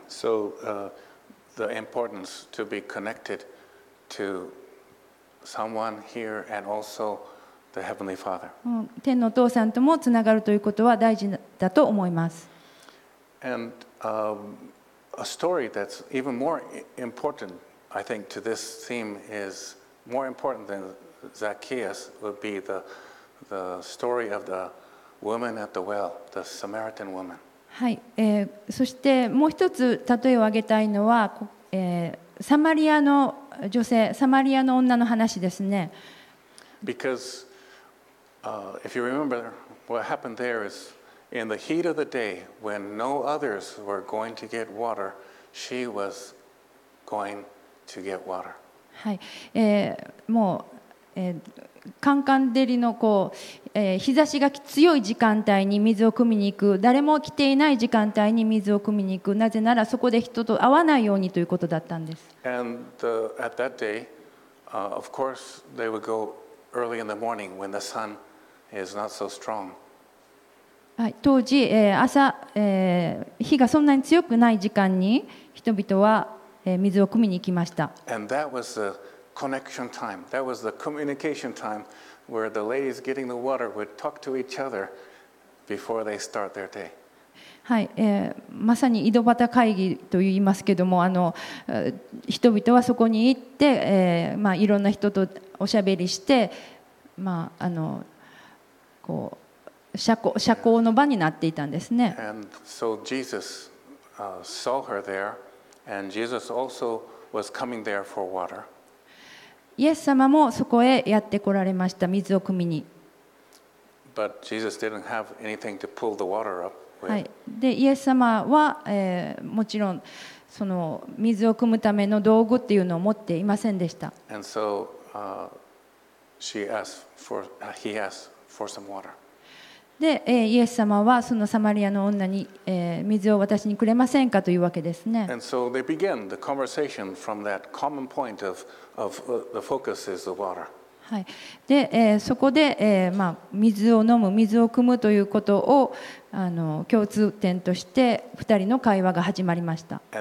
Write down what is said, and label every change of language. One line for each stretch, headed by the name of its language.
English: So, the importance to be connected to someone here and also. The Heavenly Father.
Japanese: 天のお父さんともつながるということは大事だと思います。
English: And, a story that's even more important, I think, to this theme is more important than Zacchaeus would be the story of the woman at the well, the Samaritan woman.
Japanese: はい、そしてもう一つ例えを挙げたいのは、サマリアの女性、サマリアの女の話ですね。
English: Because if you remember, what happened there is in the heat of the day when no others were going to get water, she was going to get water.
Japanese: はい、もう、カンカン照りのこう、日差しが強い時間帯に水を汲みに行く、誰も来ていない時間帯に水を汲みに行く、なぜならそこで人と会わないようにということだったんです。
English: And the, at that day, of course, they would go early in the morning when the sun. Is not so strong.
Japanese: 当時、朝、日がそんなに強くない時間に人々は、水を汲みに行きました。
English: And that was the connection time. That was the communication time where the ladies getting the water would talk to each other before they start their day.
Japanese: はい、まさに井戸端会議といいますけども、人々はそこに行って、まあ、いろんな人とおしゃべりして、まあ、こう社交の場になっていたんですね。
English: And so Jesus, saw her there, and Jesus also was coming there for water.
Japanese: イエス様もそこへやって来られました、水を汲みに。
English: But Jesus didn't have anything to pull the water up.
Japanese: はい、でイエス様は、もちろんその水を汲むための道具っていうのを持っていませんでした。
English: So, he asked for some water.
Japanese: で、イエス様はそのサマリアの女に、水を私にくれませんかというわけですね。
English: And so they begin the conversation from that common point of the focus is the water.
Japanese: はい、で、そこで、まあ、水を飲む、水を汲むということを共通点として2人の会話が始まりました。